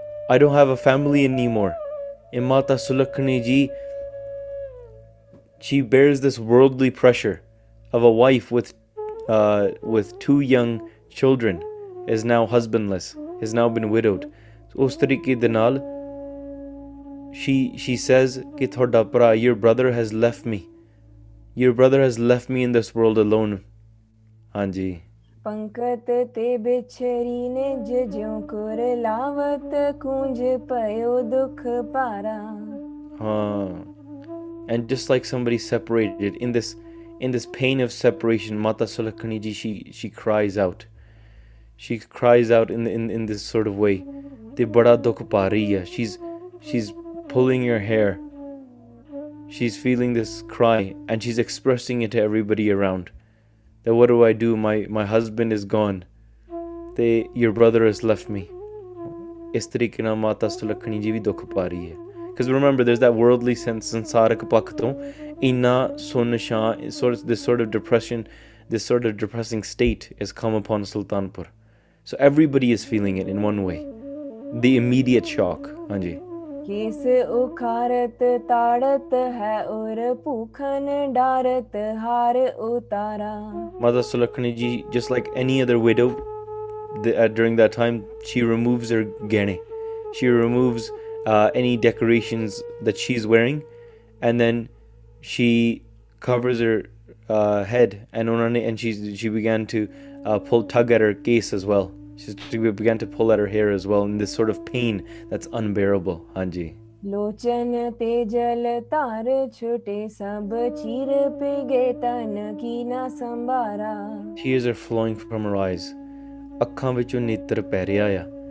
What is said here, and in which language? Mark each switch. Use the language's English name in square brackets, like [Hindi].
[English] I don't have a family anymore. And Mata Sulakhani ji, she bears this worldly pressure of a wife with two young children, is now husbandless, has now been widowed. So [Punjabi] us tarike de naal, [English] she says [Punjabi] ki thoda bhra, [English] your brother has left me. Your brother has left me in this world alone. [Punjabi] Haanji. ਪੰਕਤ ਤੇ ਬਿਛਰੀ ਨੇ ਜਿਉਂ ਕੁਰ ਲਾਵਤ ਕੁੰਜ ਪਇਓ ਦੁਖ ਪਾਰਾ. [English] ਹਾਂ, and just like somebody separated in this pain of separation, Mata Sulakhni ji she cries out in this sort of way, [Punjabi] ਤੇ ਬੜਾ ਦੁੱਖ ਪਾ ਰਹੀ ਹੈ. [English] She is pulling your hair, she is feeling this cry, and she is expressing it everybody around. That what do I do? My husband is gone. They, your brother has left me. [Punjabi] Is tarike na mata sulakhani ji vi dukh pa rahi hai. [English] Because remember, there's that worldly sense, [Punjabi] sansarik pakh ton inna sun shan, [English] this sort of depressing state has come upon Sultanpur. So everybody is feeling it in one way. The immediate shock. Hanji. [Punjabi] ਕਿਸ ਉਖਾਰਤ ਤਾੜਤ ਹੈ ਔਰ ਭੁਖਨ ਡਾਰਤ ਹਾਰ ਉਤਾਰਾ. [English] Mata Sulakhni ji, just like any other widow during that time, she removes her ਗਹਿਣੇ, she removes any decorations that she is wearing, and then she covers her head, and [Punjabi] ਉਹਨਾਂ ਨੇ, [English] And she began to pull tug at her ਕੇਸ as well. She began to pull at her hair as well in this sort of pain that's unbearable. [Punjabi] Hanji. Lochan tejal tar chute sab chir pige tan ki na sambara. [English] Tears are flowing from her eyes. [Punjabi] Akkhan vichon nitr pehriya aya.